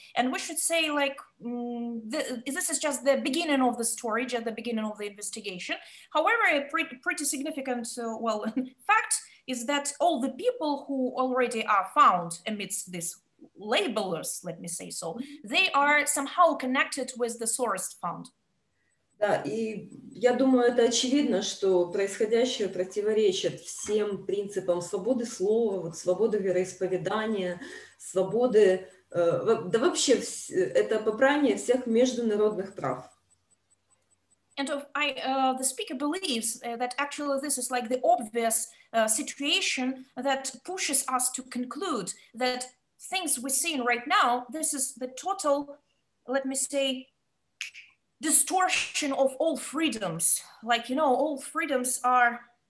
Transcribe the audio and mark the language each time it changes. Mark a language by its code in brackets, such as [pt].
[en] And we should say like, this is just the beginning of the story, just the beginning of the investigation. However, a pretty significant fact is that all the people who already are found amidst this labelers, let me say so, they are somehow connected with the Sorest Fund. [ru] Да, и я думаю, это очевидно, что происходящее противоречит всем принципам свободы слова, вот, свободы вероисповедания, свободы, да вообще, это попрание всех международных прав. [en] And the speaker believes that actually this is like the obvious situation that pushes us to conclude that things we're seeing right now, this is the total, let me say, distortion of all freedoms. Like, you know, all freedoms are